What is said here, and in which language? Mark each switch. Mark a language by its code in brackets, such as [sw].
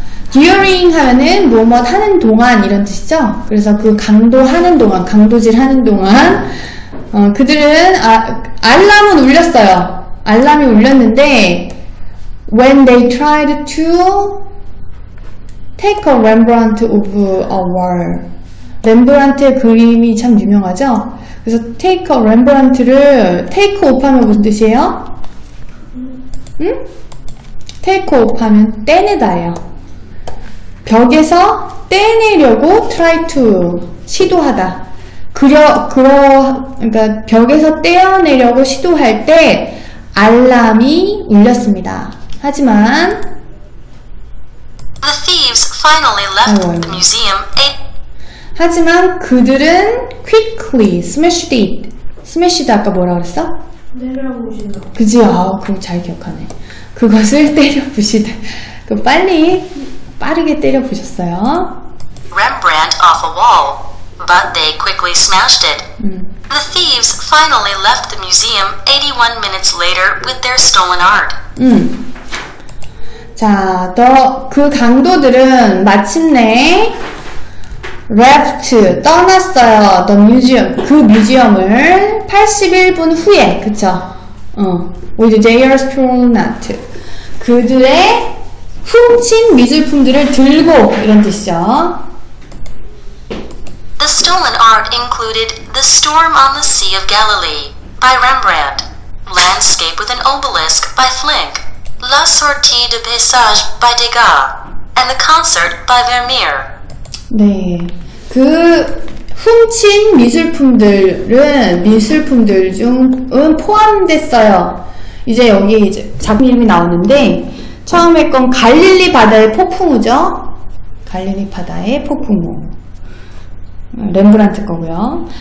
[ko] During 하면은 뭐뭐 하는 동안 이런 뜻이죠. 그래서 그 강도하는 동안, 강도질하는 동안 그들은 알람은 울렸어요. 알람이 울렸는데 [en] when they tried to take a Rembrandt of a wall. [ko] 렘브란트의 그림이 참 유명하죠. 그래서 [en] take a Rembrandt [ko] 를 take off 하면 무슨 뜻이에요? 응? take off 하면 떼내다예요. 벽에서 떼내려고 try to 시도하다 그러니까 벽에서 떼어내려고 시도할 때 알람이 울렸습니다. 하지만 [en] the thieves finally left the museum. [ko] 하지만 그들은 [en] quickly smashed it. [ko] smashed 아까 뭐라 그랬어? 내려부신다. 그지? 아, 그거 잘 기억하네. 그것을 때려부시다. 그 빨리 빠르게 때려 부셨어요. [en] Rembrandt off a wall, but they quickly smashed it. The thieves finally left the museum 81 minutes later with their stolen art. [ko] 자, 그 강도들은 마침내 left 떠났어요. [en] The museum [ko] 그 뮤지엄을 81분 후에, 그쵸? [en] With their stolen art, [ko] 그들의 훔친 미술품들을 들고 이런 뜻이죠. [en] The stolen art included The Storm on the Sea of Galilee by Rembrandt, Landscape with an Obelisk by Flink, La Sortie de Passage by Degas, and The Concert by Vermeer. [ko] 네, 그 훔친 미술품들 중은 포함됐어요. 이제 여기 이제 작품 이름이 나오는데 처음에 건 갈릴리 바다의 폭풍우죠. 갈릴리 바다의 폭풍우. 렘브란트 거고요.